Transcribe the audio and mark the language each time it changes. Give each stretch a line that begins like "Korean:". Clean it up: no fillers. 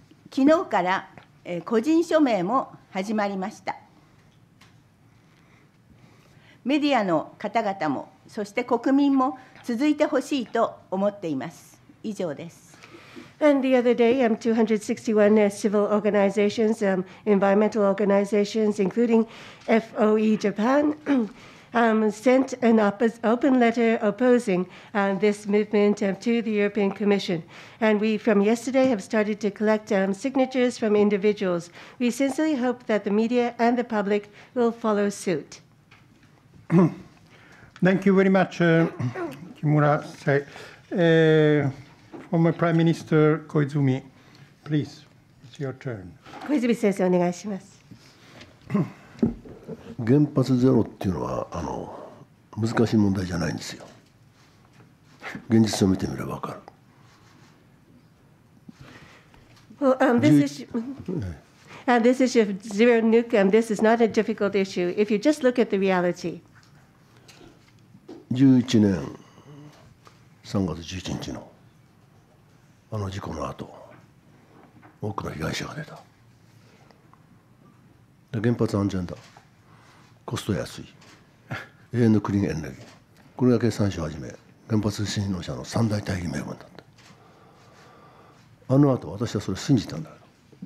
Japanese: 昨日から個人署名も始まりました。メディアの方々も、そして国民も続いてほしいと思っています。以上です。
English: And the other day, 261 civil organizations, environmental organizations, including FOE Japan, sent an open letter opposing this movement to the European Commission. And we, from yesterday, have started to collect signatures from individuals. We sincerely hope that the media and the public will follow suit. Thank you very much, Kimura. Former Prime Minister Koizumi, please, it's your turn.
Japanese: Koizumi 先生、お願いします。原発ゼロっていうのは難しい問題じゃないんですよ。現実を見てみれば分かる。
English: Well, this issue of zero nuke, this is not a difficult issue. If you just look at the reality.
Japanese: 11年3月11日のあの事故の後、多くの被害者が出た。で、原発安全だ。コスト安い永遠のクリーンエネルギー、これが経産省はじめ原発信用者の三大大義名分だった。あのあと私はそれを信じたんだけど、